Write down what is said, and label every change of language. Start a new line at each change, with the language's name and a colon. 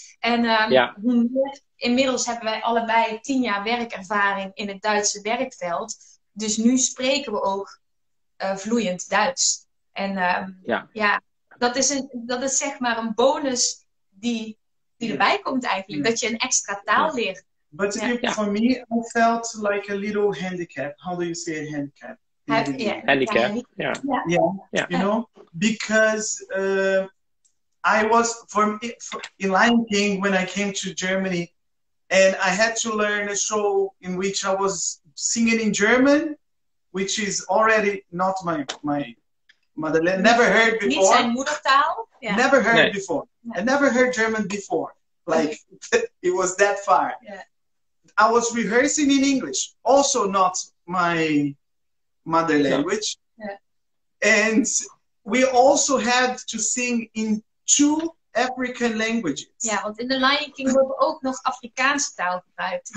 Dutch: En inmiddels hebben wij allebei 10 jaar werkervaring in het Duitse werkveld. Dus nu spreken we ook vloeiend Duits. En dat is zeg maar een bonus die erbij komt eigenlijk. Dat je een extra taal leert.
English: But for me, I felt like a little handicap. How do you say a handicap? Handicap, yeah. You know, because I was, in Lion King, when I came to Germany, and I had to learn a show in which I was singing in German, which is already not my motherland. Never heard before.
German: Nicht sein Muttertal? Yeah.
English: Never heard before. Yeah. I never heard German before. Like, it was that far. Yeah. I was rehearsing in English, also not my mother language. Yeah. And we also had to sing in 2 African languages.
Dutch: Ja, want in The Lion King hebben we ook nog Afrikaanse taal gebruikt.